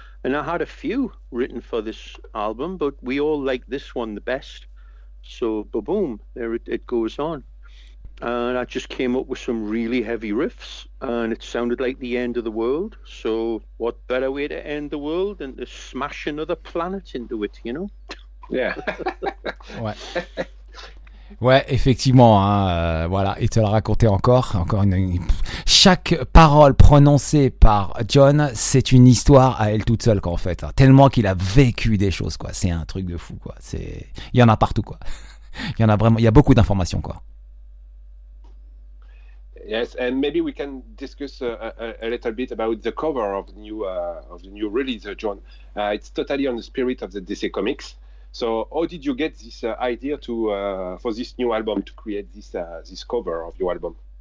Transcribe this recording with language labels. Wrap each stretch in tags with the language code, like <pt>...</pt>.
<en>And I had a few written for this album, but we all like this one the best. So, ba-boom, there it goes on. And I just came up with some really heavy riffs, and it sounded like the end of the world. So what better way to end the world than to smash another planet into it, you know? Yeah.</en> <fr>Ouais. Ouais, effectivement, hein, voilà, et te la raconter encore une... Chaque parole prononcée par John, c'est une histoire à elle toute seule, quoi, en fait. Hein, tellement qu'il a vécu des choses, quoi. C'est un truc de fou, quoi. C'est... Il y en a partout, quoi. Il y en a vraiment, il y a beaucoup d'informations, quoi.</fr> <en>Yes, and maybe we can discuss a little bit about the cover of the new release, John. It's totally on the spirit of the DC Comics. So, how did you get this idea for this new album, to create this cover of your album?</en>